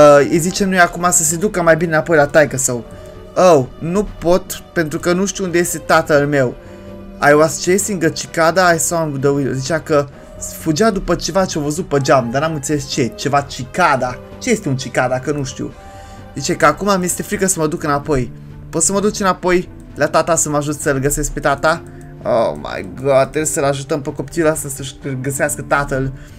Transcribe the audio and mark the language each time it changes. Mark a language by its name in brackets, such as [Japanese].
[Romanian] Îi zice noi acum să se ducă mai bine înapoi la taică său. Oh, nu pot pentru că nu știu unde este tatăl meu. [English] I was chasing a cicada, I saw him with the wheel. [Romanian] Zicea că fugea după ceva ce-a văzut pe geam, dar n-am înțeles ce. Ceva cicada. Ce este un cicada, că nu știu. Zice că acum mi este frică să mă duc înapoi. Pot să mă duc înapoi la tata să mă ajut să-l găsesc pe tata? [English] Oh my god, [Romanian] trebuie să-l ajutăm pe copilul ăsta să-și găsească tatăl.